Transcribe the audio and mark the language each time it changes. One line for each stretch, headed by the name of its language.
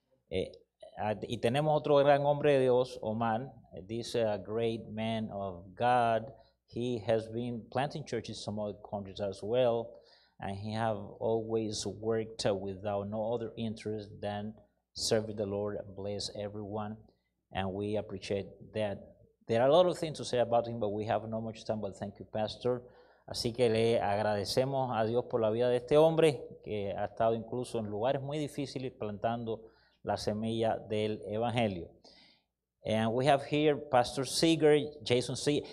Spanish: Y tenemos otro gran hombre de Dios, Omar.
English: This is a great man of God. He has been planting churches in some other countries as well, and he have always worked without no other interest than serving the Lord and bless everyone, and we appreciate that. There are a lot of things to say about him, but we have no much time, but thank you, Pastor.
Spanish: Así que le agradecemos a Dios por la vida de este hombre, que ha estado incluso en lugares muy difíciles plantando la semilla del Evangelio.
English: And we have here Pastor Seeger, Jason Seeger.